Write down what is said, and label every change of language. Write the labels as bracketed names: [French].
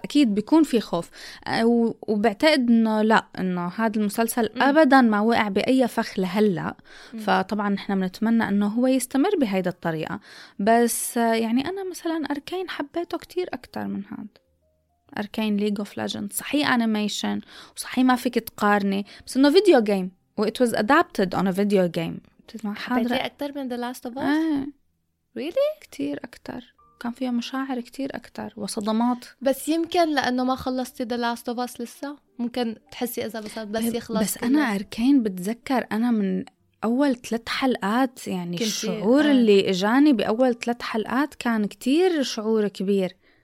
[Arabic] اكيد بيكون في خوف وبعتقد انه لا انه هذا المسلسل ابدا ما وقع باي فخ لهلا فطبعا احنا بنتمنى انه هو يستمر بهيدا الطريقه بس يعني انا مثلا اركين حبيته كتير اكثر من هذا اركين ليج اوف ليجندز صحيح انيميشن وصحيح ما فيك تقارني بس انه فيديو جيم [English] It was adapted on a video game. [Arabic] حبيتي أكتر من The Last of Us؟ Really؟ كتير أكتر. كان فيها مشاعر كتير أكتر وصدمات. بس يمكن لأنه ما خلصتي The Last of Us لسه. ممكن تحسي إذا بس يخلص. بس أنا أركين بتذكر أنا من أول ثلاث حلقات يعني الشعور اللي إجاني بأول ثلاث حلقات كان كتير شعور كبير.